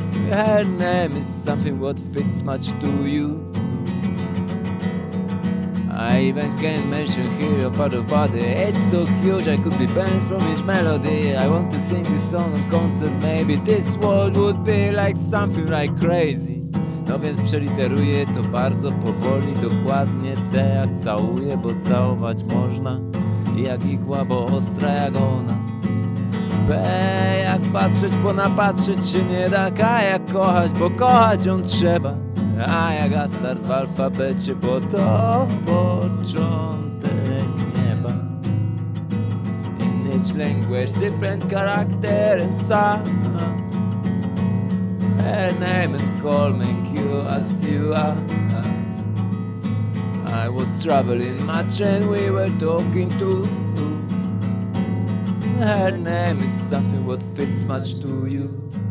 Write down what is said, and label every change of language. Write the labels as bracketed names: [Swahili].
[English] Her name is something what fits much to you. I even can't mention here your part of body. It's so huge I could be banned from each melody. I want to sing this song on concert. Maybe this world would be like something like crazy. [Polish] No więc przeliteruję to bardzo powoli, dokładnie C jak całuję, bo całować można. Jak igła, bo ostra jak ona. B jak patrzeć, bo napatrzeć się nie da. K jak kochać, bo kochać ją trzeba. A jak Astart w alfabecie, bo to początek nieba. [English] In each language, different character and sound. Her name and call make you as you are. I was traveling much and we were talking too. Her name is something what fits much to you.